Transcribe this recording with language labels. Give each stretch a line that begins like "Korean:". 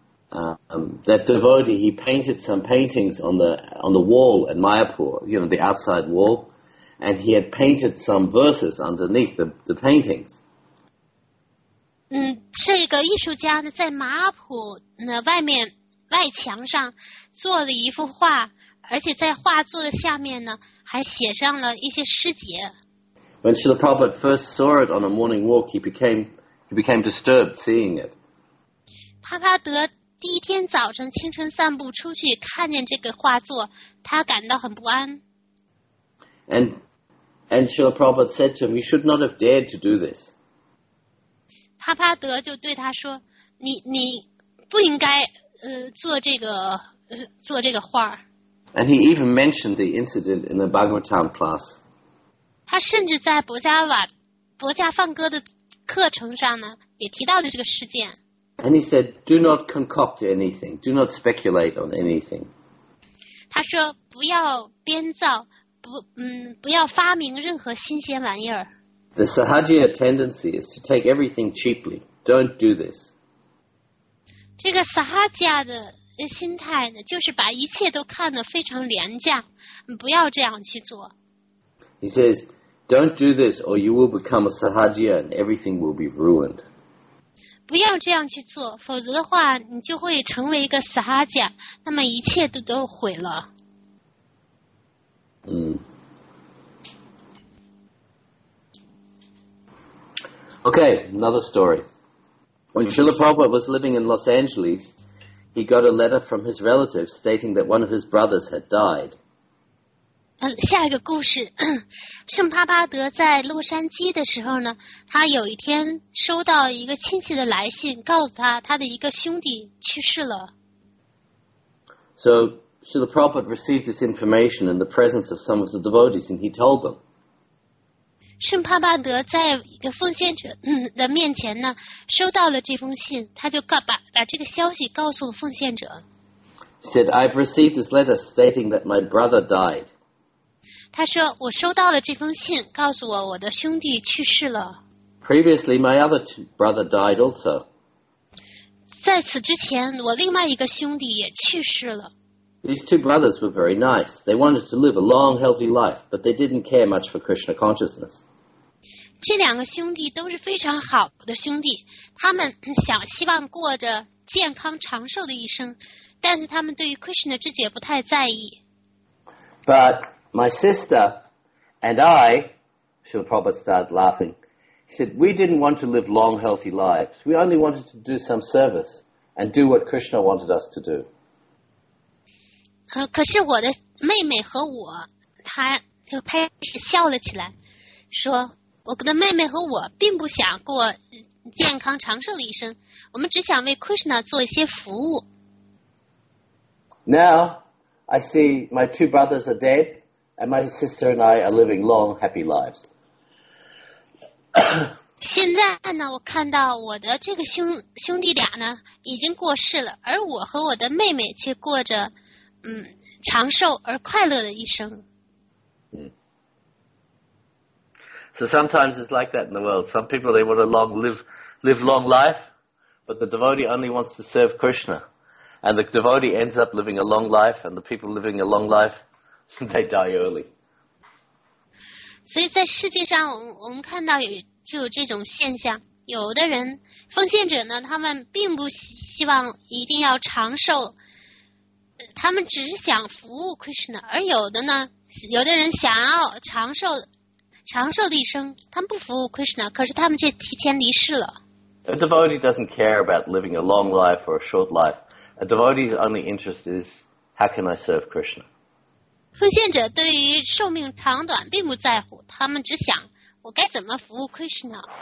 English: That devotee, he painted some paintings on the wall at Mayapur, you know, the outside wall, and he had painted some verses underneath the paintings.
Chinese: 这个艺术家呢，在马普那外面外墙上做了一幅画，而且在画作的下面呢，还写上了一些诗节。
English: When Srila Prabhupada first saw it on a morning walk, he became disturbed seeing it.
Chinese: 帕帕德第一天早晨清晨散步出去，看见这个画作，他感到很不安。
English: And Srila Prabhupada said to him, "You should not have dared to do this."
Chinese: 帕帕德就对他说：“你不应该做这个画。”
English: And he even mentioned the incident in the Bhagavatam class.
Chinese: 他甚至在博迦梵歌的课程上呢，也提到了这个事件。
English: And he said, "Do not concoct anything. Do not speculate on anything."
Chinese: 他说：“不要编造，不要发明任何新鲜玩意儿。
English: The Sahajiya tendency is to take everything cheaply. Don't do this.
Chinese: 这个 Sahajiya 的心态呢，就是把一切都看得非常廉价，不要这样去做。
English: He says, don't do this or you will become a Sahajiya and everything will be ruined.
Chinese: 不要这样去做，否则的话，你就会成为一个 Sahajiya, 那么一切都毁了。
English: Okay, another story. When Srila Prabhupada was living in Los Angeles, he got a letter from his relatives stating that one of his brothers had died.
Chinese: 下一个故事，圣帕巴德在洛杉矶的时候呢，他有一天收到一个亲戚的来信，告诉他的一个兄弟去世了。
English: So, Srila Prabhupada received this information in the presence of some of the devotees, and he told them.
Chinese: 圣帕巴德在一个奉献者的面前呢，收到了这封信，他就把这个消息告诉奉献者。
English: Said I've received this letter stating that my brother died.
Chinese: 他说我收到了这封信，告诉我的兄弟去世了。
English: Previously, my other brother died also.
Chinese: 在此之前，我另外一个兄弟也去世了。
English: These two brothers were very nice. They wanted to live a long, healthy life, but they didn't care much for Krishna consciousness.
Chinese: 这两个兄弟都是非常好的兄弟，他们想希望过着健康长寿的一生，但是他们对于 Krishna 的知觉不太在意。
English: But my sister and I, Srila Prabhupada started laughing, said we didn't want to live long healthy lives. We only wanted to do some service and do what Krishna wanted us to do.
Chinese: 可是我的妹妹和我，她就开始笑了起来，说。我的妹妹和我并不想过健康长寿的一生，我们只想为 Krishna 做一些服务。
English: Now, I see my two brothers are dead, and my sister and I are living long, happy lives.
Chinese: 现在呢，我看到我的这个兄弟俩呢已经过世了，而我和我的妹妹却过着长寿而快乐的一生。
English: So sometimes it's like that in the world. Some people, they want to live long life, but the devotee only wants to serve Krishna. And the devotee ends up living a long life, and the people living a long life, they die early.
Chinese: 所以在世界上我们看到就有这种现象。有的人奉献者呢，他们并不希望一定要长寿，他们只是想服务 Krishna. 而有的人想要长寿长寿的一生，他们不服务 Krishna， 可是他们却提前离世了。
English: A devotee doesn't care about living a long life or a short life. A devotee's only interest is how can I serve Krishna.
Chinese: 奉献者对于寿命长短并不在乎，他们只想我该怎么服务 Krishna。